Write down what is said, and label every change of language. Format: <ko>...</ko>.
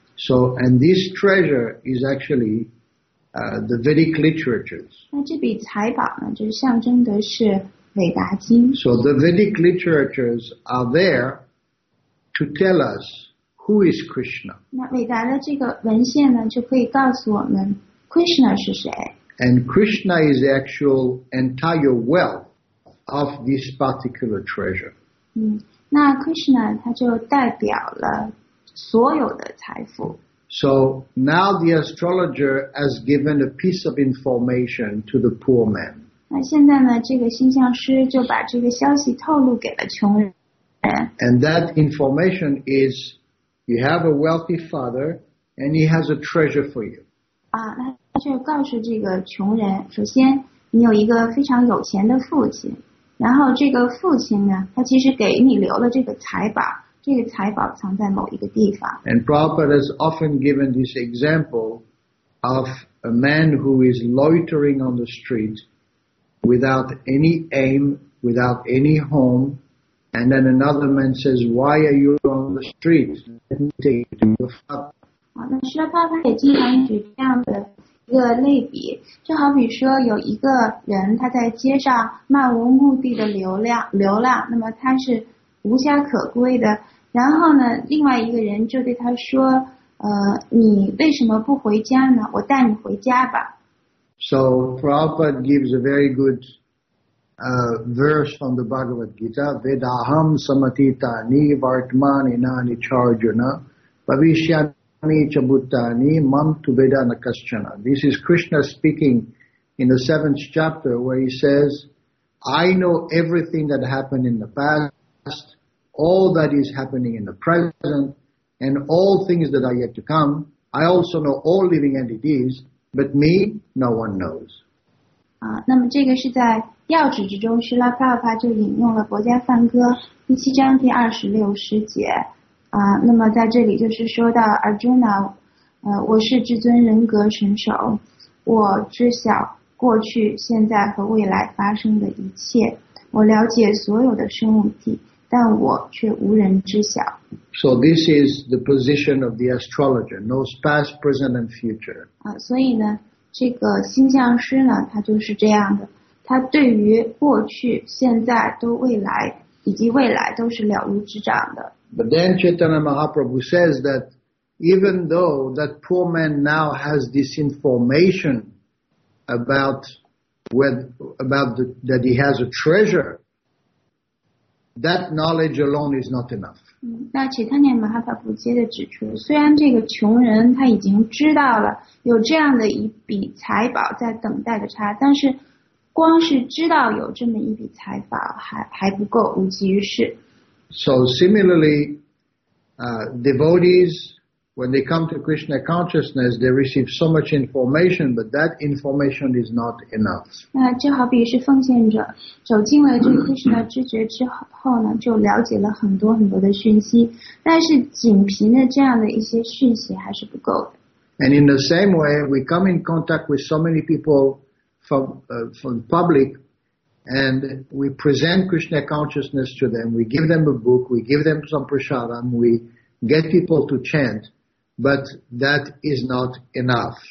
<en>So, and this treasure is actually, the Vedic literatures.</en> <zh>那这笔财宝呢，就象征的是韦达经。</zh> <en>So the Vedic literatures are there to tell us who is Krishna.</en> <zh>那韦达的这个文献呢，就可以告诉我们 Krishna 是谁。</zh> <en>And Krishna is the actual entire wealth of this particular treasure.</en> <zh>那 Krishna 他就代表了所有的财富。</zh> <en>So now the astrologer has given a piece of information to the poor man.</en> <zh>那现在呢，这个星象师就把这个消息透露给了穷人。</zh> <en>And that information is, you have a wealthy father, and he has a treasure for you.</en> <zh>就告诉这个穷人，首先你有一个非常有钱的父亲，然后这个父亲呢，他其实给你留了这个财宝，这个财宝藏在某一个地方。</zh> <en>And Prabhupada has often given this example of a man who is loitering on the street without any aim, without any home, and then another man says, "Why are you on the street? Let me take you to your father."</en> <zh>那释迦牟尼也经常举这样的一个类比，就好比说有一个人他在街上漫无目的的流浪，那么他是无家可归的。然后呢，另外一个人就对他说：“你为什么不回家呢？我带你回家吧。”</zh> <en>So Prabhupada gives a very good verse from the Bhagavad Gita:</en> <sa>"Vedaham samatita ni vartmani na ni charjuna bhavishyam."</sa> <en>This is Krishna speaking in the 7th chapter where he says, I know everything that happened in the past, all that is happening in the present, and all things that are yet to come. I also know all living entities, but me, no one knows.</en> <zh>那么这个是在要旨之中，释迦牟尼就引用了《薄伽梵歌》第七章第二十六十节。那么在这里就是说到 Arjuna, 我是至尊人格神首，我知晓过去、现在和未来发生的一切，我了解所有的生物体，但我却无人知晓。</zh> <en>So this is the position of the astrologer, knows past, present and future.</en> <zh>所以呢，这个星象师呢，他就是这样的，他对于过去、现在都未来以及未来都是了如指掌的。</zh> <en>But then Chaitanya Mahaprabhu says that even though that poor man now has this information that he has a treasure, that knowledge alone is not enough.</en> <zh>那 Chaitanya Mahaprabhu 接着指出，虽然这个穷人他已经知道了有这样的一笔财宝在等待着他，但是光是知道有这么一笔财宝还不够，无济于事。</zh> <en>So similarly, devotees, when they come to Krishna consciousness, they receive so much information, but that information is not enough.</en> <zh>那就好比是奉献者走进了这个 Krishna 知觉之后呢，就了解了很多很多的讯息，但是仅凭着这样的一些讯息还是不够的。</zh> <en>And in the same way, we come in contact with so many people from the public, and we present Krishna consciousness to them, we give them a book, we give them some prasadam, we get people to chant, but that is not enough.</en>